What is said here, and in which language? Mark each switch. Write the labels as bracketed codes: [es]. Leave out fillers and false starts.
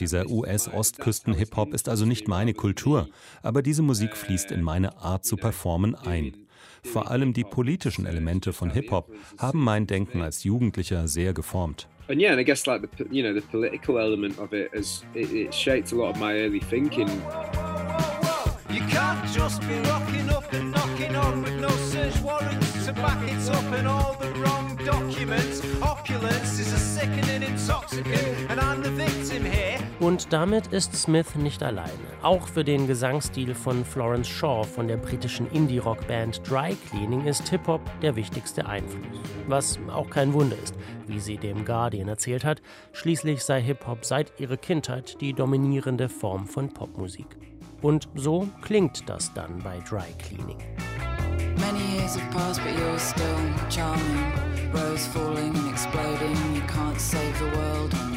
[de] Dieser US-Ostküsten-Hip-Hop ist also nicht meine Kultur. Aber diese Musik fließt in meine Art zu performen ein. Vor allem die politischen Elemente von Hip-Hop haben mein Denken als Jugendlicher sehr geformt. [en] And yeah, and I guess like the political element of it has it shaped a lot of my early thinking. You can't just be rocking up and knocking on with no search warrants to back it up and all the wrong documents. Opulence is a sickening intoxicant and I'm the victim here. [de] Und damit ist Smith nicht alleine. Auch für den Gesangsstil von Florence Shaw von der britischen Indie-Rock-Band Dry Cleaning ist Hip-Hop der wichtigste Einfluss. Was auch kein Wunder ist, wie sie dem Guardian erzählt hat. Schließlich sei Hip-Hop seit ihrer Kindheit die dominierende Form von Popmusik. Und so klingt das dann bei Dry Cleaning. [en] Many years have passed, but you're still charming. Rose falling and exploding, you can't save the world.